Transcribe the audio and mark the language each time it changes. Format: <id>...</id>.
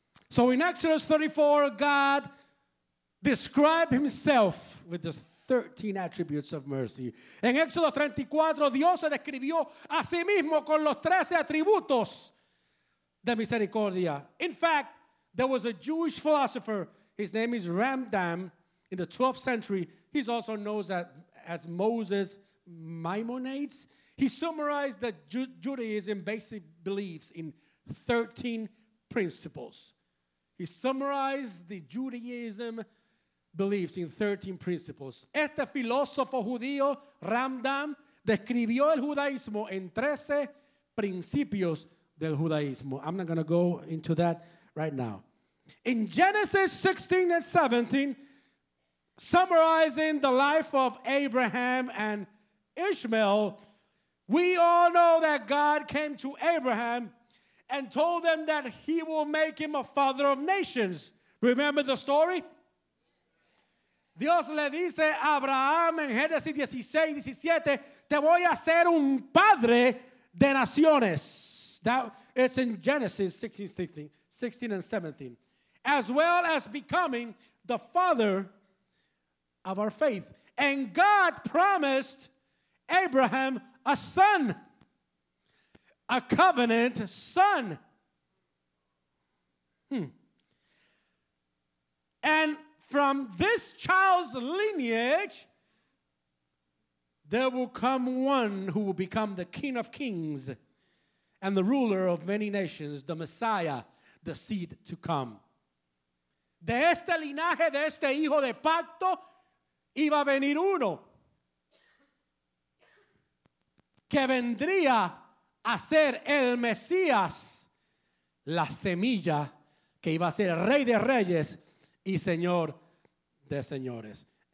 <en>So in Exodus 34, God described himself with the 13 attributes of mercy.</en> <es>En Exodus 34, Dios se describió a sí mismo con los 13 atributos de misericordia.</es> <en>In fact, there was a Jewish philosopher, his name is Rambam, in the 12th century. He's also known as Moses Maimonides. He summarized the Judaism basic beliefs in 13 principles. He summarized the Judaism beliefs in 13 principles.</en> <es>Este filósofo judío, Ramdam, describió el judaísmo en 13 principios del judaísmo.</es> <en>I'm not going to go into that right now. In Genesis 16 and 17, summarizing the life of Abraham and Ishmael, we all know that God came to Abraham and told them that he will make him a father of nations. Remember the story?</en> <es>Dios le dice a Abraham en Génesis 16, 17, te voy a hacer un padre de naciones.</es> <en>That, it's in Genesis 16 and 17. As well as becoming the father of our faith. And God promised Abraham a son, a covenant son. And from this child's lineage, there will come one who will become the King of Kings and the ruler of many nations, the Messiah, the seed to come.</en> <es>De este linaje, de este hijo de pacto, iba a venir uno que vendría a ser el Mesías, la semilla que iba a ser el rey de reyes y señor de señores.</es>